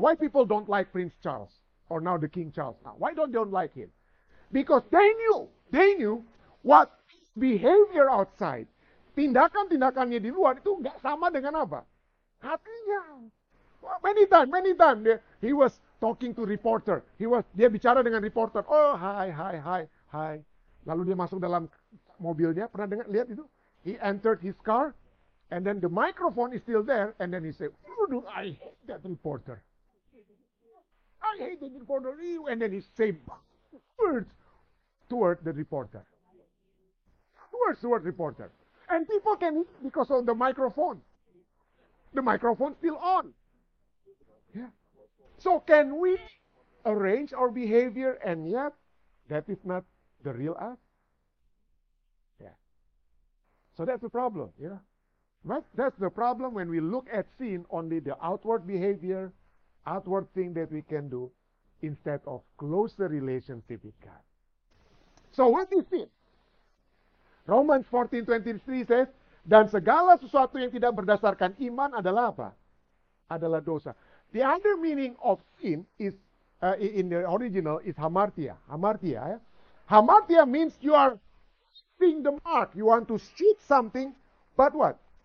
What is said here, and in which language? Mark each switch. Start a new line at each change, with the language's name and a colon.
English: Why people don't like Prince Charles, or now the King Charles now? Why don't they don't like him? Because they knew what behavior outside,
Indonesian: tindakan-tindakannya di luar itu nggak sama dengan apa? Hatinya.
English: Many times he was talking to reporter.
Indonesian: Dia bicara dengan reporter. Oh, hi. Lalu dia masuk dalam mobilnya. Pernah dengar lihat itu?
English: He entered his car. And then the microphone is still there, and then he said, I hate that reporter. I hate that reporter. And then he said words toward the reporter. Words toward the reporter. And people can hear because of the microphone. The microphone's still on. Yeah. So can we arrange our behavior, and yet that is not the real us? Yeah. So that's the problem, you know? That's the problem when we look at sin, only the outward behavior, outward thing that we can do, instead of closer relationship with God. So what is sin?
Indonesian: Romans 14:23 says, dan segala sesuatu yang tidak berdasarkan iman adalah apa? Adalah dosa.
English: The other meaning of sin is, in the original, is hamartia. Hamartia, yeah? Hamartia means you are missing the mark. You want to shoot something, but what?